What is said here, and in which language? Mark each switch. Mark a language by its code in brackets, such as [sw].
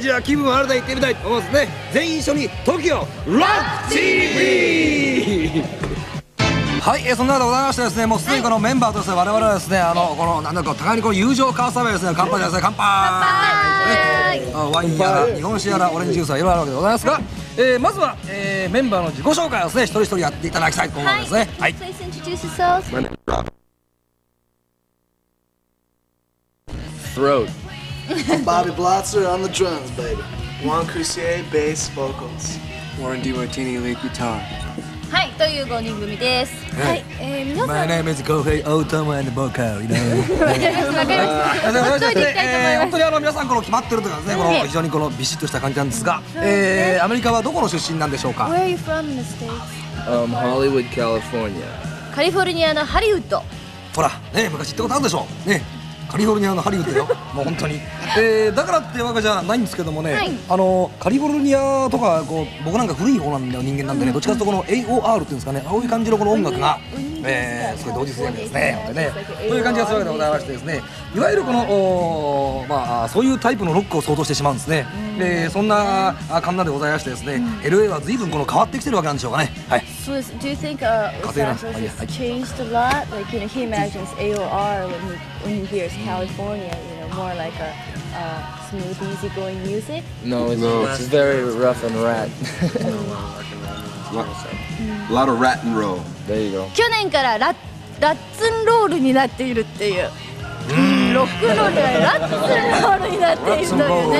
[ja] じゃあ気分を新たにいってみたいと思いますね。全員一緒に TOKIO ROCK TV はい、そんなわけでございましてですね、もうすでにこのメンバーとして我々はですね、あのこのなんだか互いにこう友情を交わすためですね、乾杯ですね、乾杯、ワインやら日本酒やらオレンジジュースはいろいろあるわけでございますが、まずは、メンバーの自己紹介をですね、一人一人やっていただきたいと思いますね。はい、 [en] Please introduce yourself. Throat. I'm Bobby Blotzer on the drums, baby. Juan Crucier, bass, vocals. Warren DiMartini, lead guitar. [ja] はい、という5人組です。はい、皆さん。 [en] My name is Kohei Otomo and vocal. [ja] わかりました。本当にあの皆さんこの決まってるというかですね、この非常にこのビシッとした感じなんですが、アメリカはどこの出身なんでしょうか。 [en] Where are you from in the States? Hollywood, California. [ja] カリフォルニアのハリウッド。ほら、ね、昔行ったことあるでしょ。ね。カリフォルニアのハリウッドよ、もう本当に、だからってわけじゃないんですけどもね、はい、あのカリフォルニアとかこう僕なんか古い方なんだよ、人間なんでね、うん、どっちかというとこの AOR っていうんですかね、青い感じのこの音楽がすごい同時性ですね、そういう感じがするわけでございましてですね、いわゆるこの、まあ、そういうタイプのロックを想像してしまうんですね、そんなカンナでございましてですね、うん、LA は随分この変わってきてるわけなんでしょうかね、はい、そうです、 [en] Do you think Los Angeles has changed a lot? Like, you know, he imagines AOR when he hears California, you know, more like a smooth, easygoing music? No, it's very rough and rat. A lot of rat and roll. There you go. [ja] 去年からラッツンロールになっているっていう。ロックロールがラッツンロールになっているというね。